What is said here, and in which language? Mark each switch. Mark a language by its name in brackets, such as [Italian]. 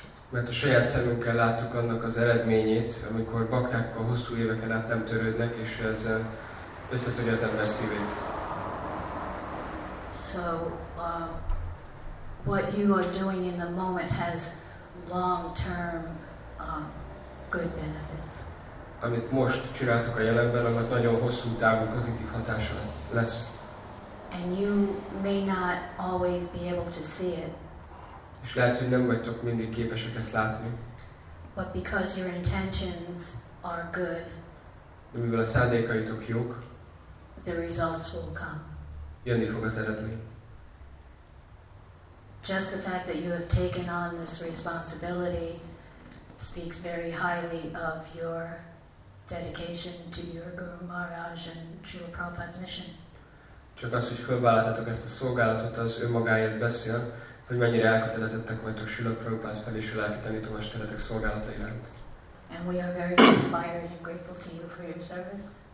[Hungarian] Mert a saját szemünkkel láttuk annak az eredményét, amikor baktákkal hosszú éveken át nem törődnek, és ez összetörje az ember szívét. [English] So, what you are doing in the moment has long-term good benefits. [Hungarian] Amit most csináltok a jelenben, annak nagyon hosszú távú pozitív hatása lesz. [English] And you may not always be able to see it. [Hungarian] És lehet, hogy nem vagytok mindig képesek ezt látni. [English] But because your intentions are good, [Hungarian] mivel a szándékaitok jók, [English] the results will come. [Hungarian] Jönni fog az eredmény. [English] Just the fact that you have taken on this responsibility speaks very highly of your dedication to your Guru Maharaj and Srila Prabhupada's mission. [Hungarian] Csak az, hogy fölvállaltatok ezt a szolgálatot, az önmagáért beszél, hogy mennyire elkötelezettek vagytok Srila Prabhupád felé, és a lelki tanítómesteretek szolgálata iránt. [English] And we are very inspired and grateful to you for your service.